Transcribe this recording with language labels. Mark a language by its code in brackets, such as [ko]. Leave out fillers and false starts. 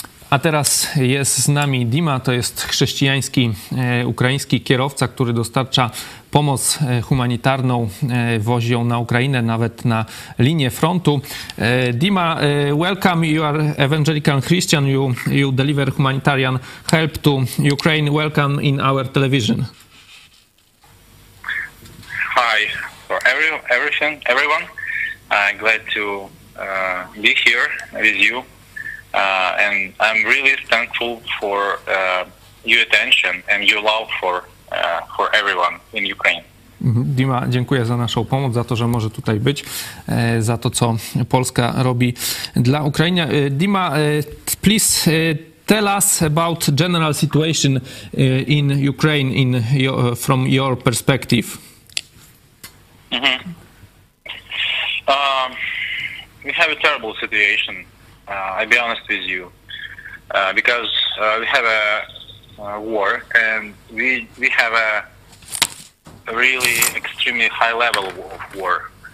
[pl] A teraz jest z nami Dima, to jest chrześcijański ukraiński kierowca, który dostarcza pomoc humanitarną, wozi ją na Ukrainę, nawet na linię frontu. [en] Dima, welcome, you are evangelical Christian, you deliver humanitarian help to Ukraine, welcome in our television. Hi, for everyone, I'm glad to be here with you. And I'm really thankful for your attention and your love for everyone in Ukraine. [pl] Dima, dziękuję za naszą pomoc, za to, że może tutaj być, za to, co Polska robi dla Ukrainy. [en] Dima, please tell us about general situation in Ukraine in your, from your perspective. Mm-hmm. We have a terrible situation. I'll be honest with you, because we have a war, and we have a really extremely high level of war.